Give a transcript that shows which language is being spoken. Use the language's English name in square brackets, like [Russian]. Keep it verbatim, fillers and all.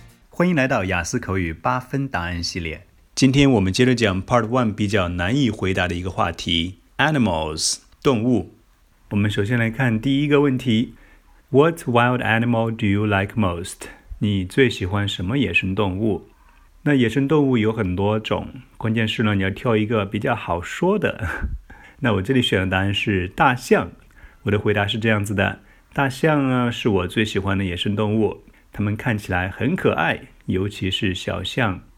[Chinese] 欢迎来到雅思口语八分答案系列。今天我们接着讲 Part One 比较难以回答的一个话题 ：Animals 动物。我们首先来看第一个问题 [English] ：What wild animal do you like most？ [Chinese] 你最喜欢什么野生动物？那野生动物有很多种，关键是呢，你要挑一个比较好说的。那我这里选的答案是大象。我的回答是这样子的：大象呢是我最喜欢的野生动物，它们看起来很可爱，尤其是小象。